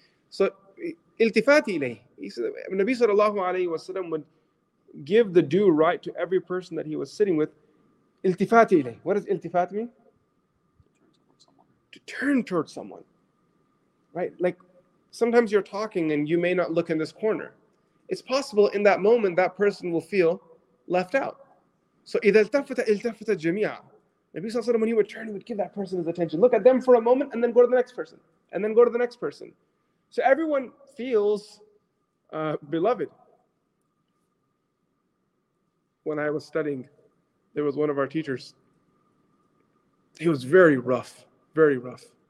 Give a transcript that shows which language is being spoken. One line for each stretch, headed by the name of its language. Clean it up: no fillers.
Arabic: So التفات إليه.
English: Nabi sallallahu alayhi wa sallam would give the due right to every person that he was sitting with.
Arabic: التفات إليه.
English: What does التفات mean? To turn towards someone. Right? Like sometimes you're talking and you may not look in this corner. It's possible in that moment that person will feel left out.
Arabic: So إذا التفت التفت جميعا.
English: Nabi sallallahu alayhi wa sallam, when he would turn, he would give that person his attention. Look at them for a moment and then go to the next person. And then go to the next person. So everyone feels beloved. When I was studying, there was one of our teachers. He was very rough, very rough.